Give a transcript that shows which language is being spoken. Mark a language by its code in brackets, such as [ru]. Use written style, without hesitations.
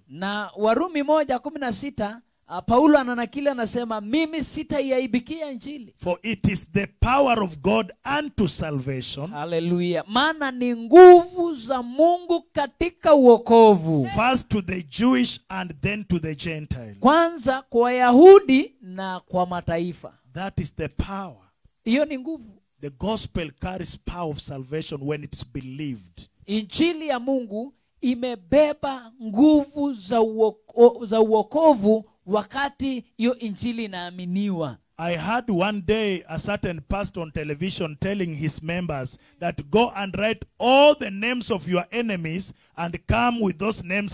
[sw] Na Warumi 1:16, Paulo ananakili anasema, mimi sitaiaibikia injili. [en] For it is the power of God unto salvation. [sw] Hallelujah. Maana ni nguvu za Mungu katika wokovu. [en] First to the Jewish and then to the Gentile. [sw] Kwanza kwa Wayahudi na kwa mataifa. [en] That is the power. [sw] Iyo ni nguvu. [en] The gospel carries power of salvation when it's believed. [sw] Injili ya Mungu imebeba nguvu za wokovu wakati hiyo injili inaaminiwa. [en] I heard one day a certain pastor on television telling his members that go and write all the names of your enemies and come with those names.